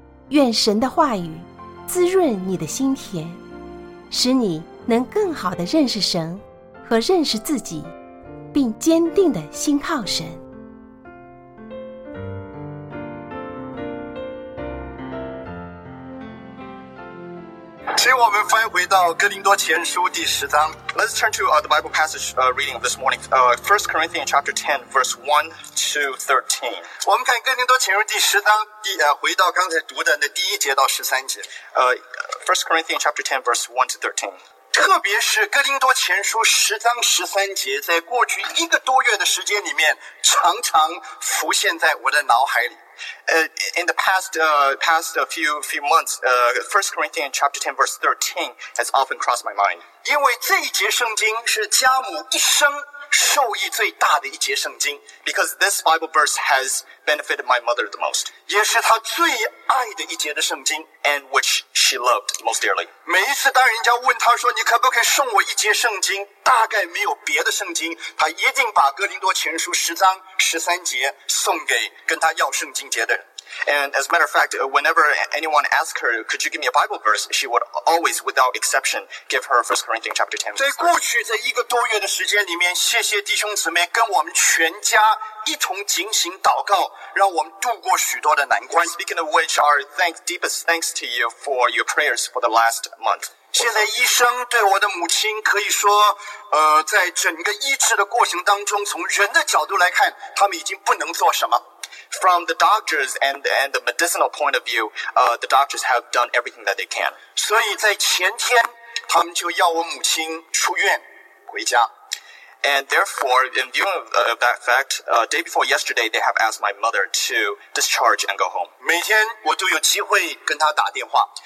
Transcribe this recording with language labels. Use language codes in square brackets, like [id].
[zh] 愿神的话语滋润你的心田，使你能更好地认识神和认识自己，并坚定地信靠神。请我们翻回到哥林多前书第十章。 [en] Let's turn to the Bible passage reading of this morning. 1 Corinthians chapter 10 verse 1 to 13. [zh] 我们看哥林多前书第十章第回到刚才读的那第一节到十三节。 [en] 1 Corinthians chapter 10 verse 1 to 13. [zh] 特别是哥林多前书十章十三节，在过去一个多月的时间里面，常常浮现在我的脑海里。 [en] In the past few months, First Corinthians chapter 10 verse 13 has often crossed my mind. [zh] 因为这一节圣经是加姆一生受益最大的一节圣经 ， [en] because this Bible verse has benefited my mother the most， [zh] 也是她最爱的一节的圣经 ， [en] and which she loved most dearly。 [zh] 每一次当人家问她说你可不可以送我一节圣经，大概没有别的圣经，她一定把哥林多前书十章十三节送给跟她要圣经节的人。 [en] And as a matter of fact, whenever anyone asked her, could you give me a Bible verse? She would always, without exception, give her 1 Corinthians chapter 10. [zh] 在过去这一个多月的时间里面，谢谢弟兄姊妹跟我们全家一同警醒祷告，让我们度过许多的难关。 [en] Speaking of which, our deepest thanks to you for your prayers for the last month. [zh] 现在医生对我的母亲可以说在整个医治的过程当中，从人的角度来看，他们已经不能做什么。 [en] From the doctors and the medicinal point of view, the doctors have done everything that they can. [zh] 所以在前天他们就要我母亲出院回家。 [en] And therefore, in view of that fact, day before yesterday, they have asked my mother to discharge and go home. [zh] 每天我都有机会跟她打电话。